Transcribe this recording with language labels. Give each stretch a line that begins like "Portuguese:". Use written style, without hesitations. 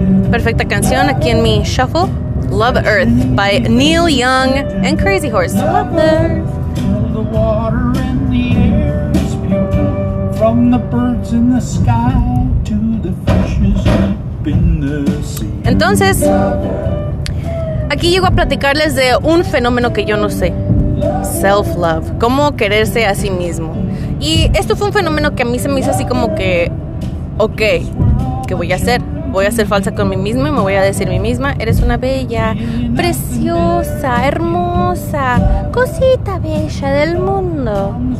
Spanish: Perfecta canción aquí en mi shuffle.
English: Love Earth by Neil Young and Crazy Horse. Love Earth. The water and the air is pure. From the birds in the sky to the fishes up in the sea.
Spanish: Entonces, aquí llego a platicarles de un fenómeno que yo no sé. Self-love. Cómo quererse a sí mismo. Y esto fue un fenómeno que a mí se me hizo así como que, ok, ¿qué voy a hacer? Voy a ser falsa con mí misma y me voy a decir a mí misma, eres una bella, preciosa, hermosa, cosita bella del mundo.